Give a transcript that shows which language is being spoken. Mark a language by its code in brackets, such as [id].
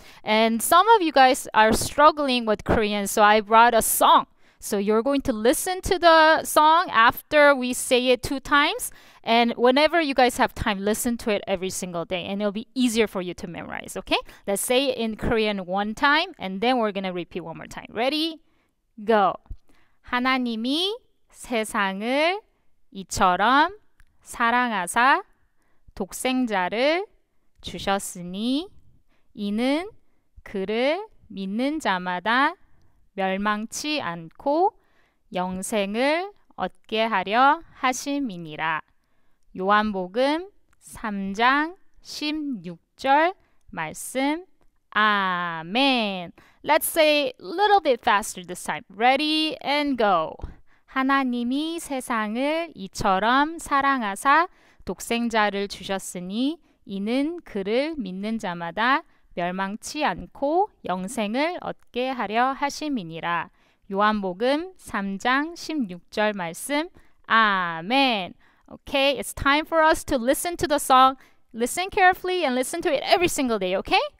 [en] And some of you guys are struggling with Korean. So I brought a song. So you're going to listen to the song after we say it 2 times. And whenever you guys have time, listen to it every single day. And it'll be easier for you to memorize. Okay? Let's say it in Korean 1 time. And then we're going to repeat 1 more time. Ready? Go. [ko] 하나님이 세상을 이처럼 사랑하사 독생자를 주셨으니 이는 그를 믿는 자마다 멸망치 않고 영생을 얻게 하려 하심이니라. 요한복음 3장 16절 말씀. 아멘. [en] Let's say a little bit faster this time. Ready and go. 하나님이 세상을 이처럼 사랑하사 독생자를 주셨으니 이는 그를 믿는 자마다 멸망치 않고 영생을 얻게 하려 하심이니라. 요한복음 3장 16절 말씀. 아멘. Okay, it's time for us to listen to the song. Listen carefully and listen to it every single day, okay?